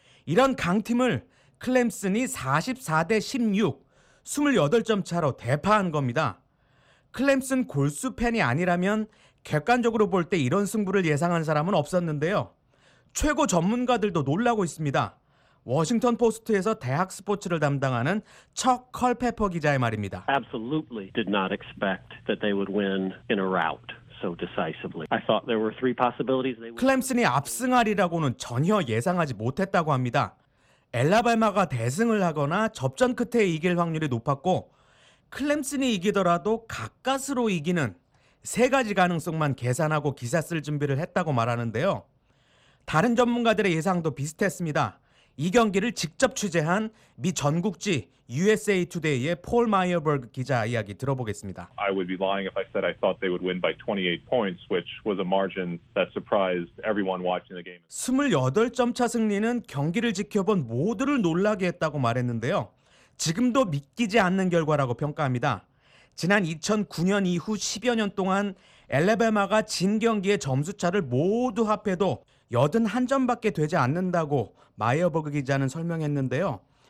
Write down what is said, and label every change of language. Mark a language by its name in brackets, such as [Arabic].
[Korean] 이런 강팀을 클렘슨이 44대 16, 28점 차로 대파한 겁니다. 클렘슨 골수 팬이 아니라면 객관적으로 볼 때 이런 승부를 예상한 사람은 없었는데요. 최고 전문가들도 놀라고 있습니다. 워싱턴 포스트에서 대학 스포츠를 담당하는 척 컬페퍼 기자의 말입니다. [English] Absolutely did not expect that they would win in a rout so decisively. I thought there were three possibilities. [Korean] 클렘슨이 압승하리라고는 전혀 예상하지 못했다고 합니다. 엘라발마가 대승을 하거나 접전 끝에 이길 확률이 높았고 클렘슨이 이기더라도 가까스로 이기는 세 가지 가능성만 계산하고 기사 쓸 준비를 했다고 말하는데요. 다른 전문가들의 예상도 비슷했습니다. 이 경기를 직접 취재한 미 전국지 USA Today의 폴 마이어버그 기자 이야기 들어보겠습니다. [English] I would be lying if I said I thought they would win by 28 points, which was a margin that surprised everyone watching the game. [Korean] 28점 차 승리는 경기를 지켜본 모두를 놀라게 했다고 말했는데요. 지금도 믿기지 않는 결과라고 평가합니다. 지난 2009년 이후 10여 년 동안 엘라바마가 진 경기의 점수 차를 모두 합해도 81점밖에 되지 않는다고 마이어버그 기자는 설명했는데요.